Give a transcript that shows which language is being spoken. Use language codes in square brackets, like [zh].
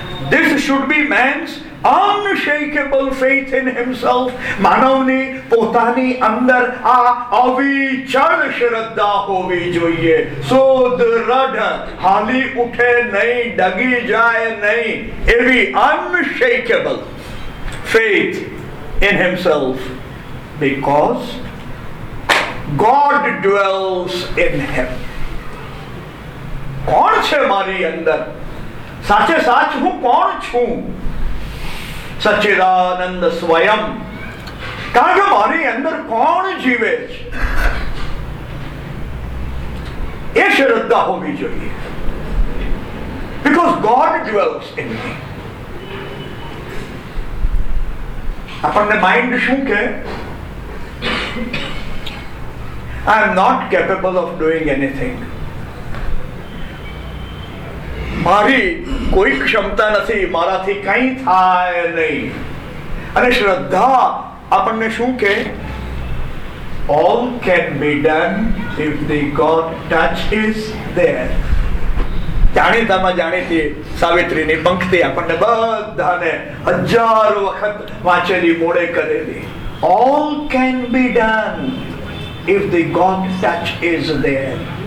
[en] This should be man's unshakable faith in himself. [gu] માનવને પોતાની અંદર આ અવિચળ શ્રદ્ધા હોવી જોઈએ. સોદરડ હાલી ઉઠે નહીં, ડગી જાય નહીં, એવી [en] unshakable faith in himself. Because God dwells in him. [gu] કોણ છે મારી અંદર? સાચે સાચ હું કોણ છું? સચ્ચિદાનંદ સ્વયં. કારણ કે મારી અંદર કોણ જીવે છે એ શ્રદ્ધા હોવી જોઈએ. [en] Because God dwells in me. [gu] આપણને માઇન્ડ શું કહે? [en] I am not capable of doing anything. [gu] મારી કોઈ ક્ષમતા નથી, મારાથી કંઈ થાય નહીં. અને શ્રદ્ધા આપણને શું કહે? [en] All can be done if the God touch is there. [gu] જાણીતામાં જાણીતી સાવિત્રીની પંક્તિ આપણને બધાને હજાર વખત વાંચેલી મોડે કરેલી. [en] All can be done if the God touch is there.